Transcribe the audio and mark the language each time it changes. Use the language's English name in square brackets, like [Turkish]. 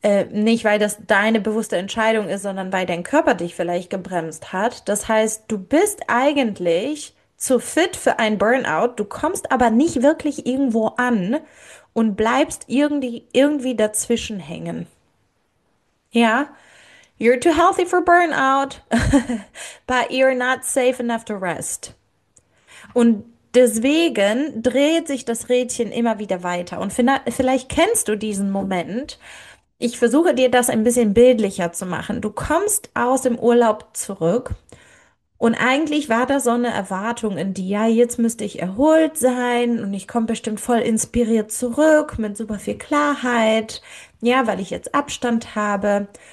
[German] Nicht, weil das deine bewusste Entscheidung ist, sondern weil dein Körper dich vielleicht gebremst hat. Das heißt, du bist eigentlich zu fit für ein Burnout. Du kommst aber nicht wirklich irgendwo an und bleibst irgendwie dazwischen hängen. [English] Ja, you're too healthy for burnout, but you're not safe enough to rest. [German] Und deswegen dreht sich das Rädchen immer wieder weiter. Und vielleicht kennst du diesen Moment. Ich versuche dir das ein bisschen bildlicher zu machen. Du kommst aus dem Urlaub zurück. Und eigentlich war da so eine Erwartung in dir, ja, jetzt müsste ich erholt sein und ich komme bestimmt voll inspiriert zurück mit super viel Klarheit, ja, weil ich jetzt Abstand habe.